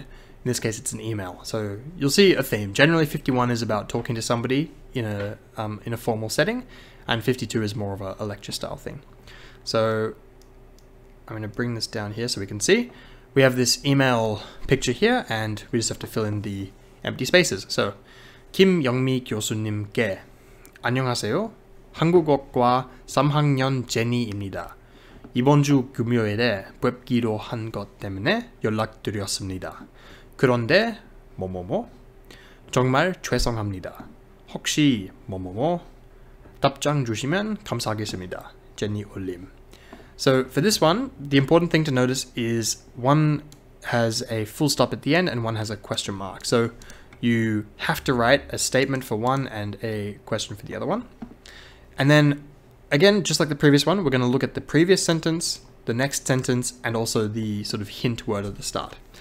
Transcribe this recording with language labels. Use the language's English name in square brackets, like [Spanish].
[English] In this case, it's an email. So you'll see a theme. Generally, 51 is about talking to somebody in a formal setting. And 52 is more of a lecture style thing. So I'm going to bring this down here so we can see. We have this email picture here, and we just have to fill in the empty spaces. [Korean] So, 김영미 교수님께 안녕하세요. 한국어과 3학년 제니입니다. 이번 주 금요일에 뵙기로 한 것 때문에 연락드렸습니다. 그런데 뭐뭐뭐 정말 죄송합니다. 혹시 뭐뭐뭐 답장 주시면 감사하겠습니다. 제니 올림. [English] So for this one, the important thing to notice is one has a full stop at the end and one has a question mark. So you have to write a statement for one and a question for the other one. And then again, just like the previous one, we're going to look at the previous sentence, the next sentence, and also the sort of hint word at the start.